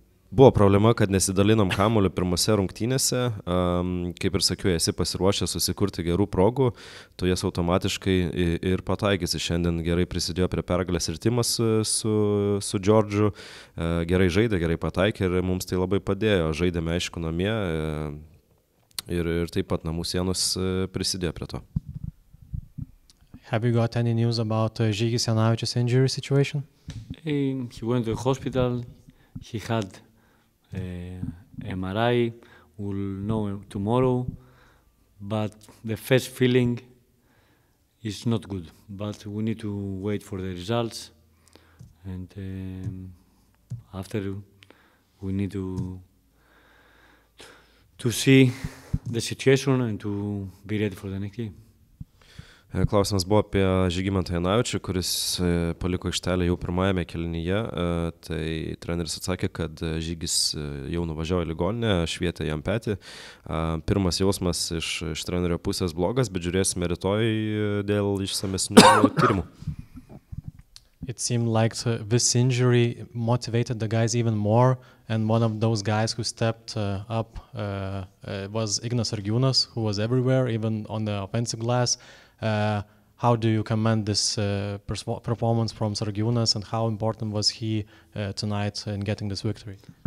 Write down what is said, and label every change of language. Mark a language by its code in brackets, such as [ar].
[lt] Buvo problema, kad nesidalinom kamuolį pirmose rungtynėse. Kaip ir sakiau, esi pasiruošęs susikurti gerų progų, tu jas automatiškai ir pataikysi. Šiandien gerai prisidėjo prie pergalės ir Timas su Džordžu. Gerai žaidė, gerai pataikė ir mums tai labai padėjo. Žaidėme, aišku, namie ir taip pat namų sienos prisidėjo prie to. [en] Have you got any news about Žygis Janavičius injury situation? He went to the hospital. He had MRI, we'll know tomorrow, but the first feeling is not good, but we need to wait for the results, and after we need to see the situation and to be ready for the next game. [lt] Klausimas buvo apie Žygimantą Janavičių, kuris paliko aikštelę jau pirmajame kelinyje. Tai treneris atsakė, kad Žygis jau nuvažiavo į ligoninę, švietė jam petį. Pirmas jausmas iš trenerio pusės blogas, bet žiūrėsime rytoj dėl išsamesnių tyrimų. [en] It seemed like this injury motivated the guys even more, and one of those guys who stepped up was Ignas Argiūnas, who was everywhere, even on the offensive glass. How do you commend this performance from Sargiūnas, and how important was he tonight in getting this victory?